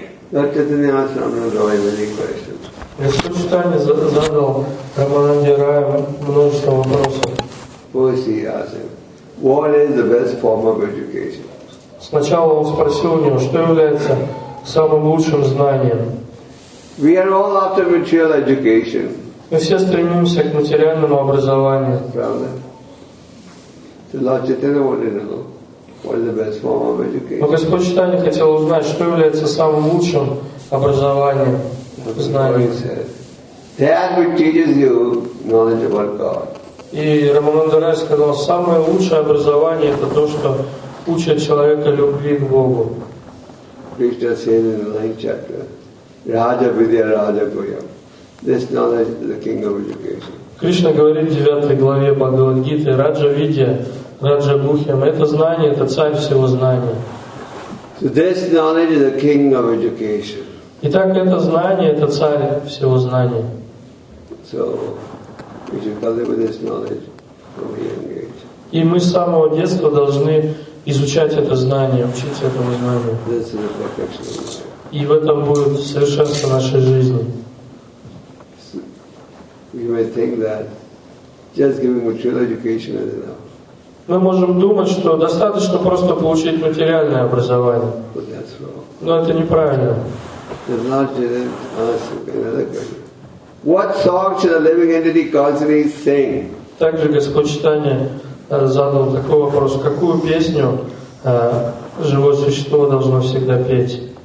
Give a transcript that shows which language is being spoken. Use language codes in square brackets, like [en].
[ru] Господь Чайтанья задал Раманом Дарая множество вопросов. [en] What is the best form of education? [ru] Сначала он спросил у него, что является самым лучшим знанием. [en] We are all after material education. [ru] Мы все стремимся к материальному образованию. Правда? [en] So Lord Chaitanya wanted to know what is the best form of education. [ru] Но Господь Чайтанья хотел узнать, что является самым лучшим образованием, знанием. [en] That which teaches you knowledge about God. [ru] И Рамананда Рай сказал, самое лучшее образование это то, что учит человека любви к Богу. [en] Кришна says in the 9th chapter, Raja Vidya Raja Goyam. This knowledge is the king of education. [ru] Кришна говорит в 9 главе Бхагавадгиты, Раджа Видья, Раджа Гухьям, это знание, это царь всего знания. [en] So this knowledge is the king of education. [ru] Итак, это знание, это царь всего знания. [en] So, we should cultivate this knowledge from a young age. [ru] И мы с самого детства должны изучать это знание, учиться этому знанию. [en] This is the perfection. [ru] И в этом будет совершенство нашей жизни. [en] You may think that just giving material education is enough. [ru] Мы можем думать, что достаточно просто получить материальное образование. [en] But that's wrong. [ru] Но это неправильно. [en] There's not even another question. What song should a living entity constantly sing? [ru] Также Господь Чайтанья задал такой вопрос: какую песню живое существо должно всегда петь?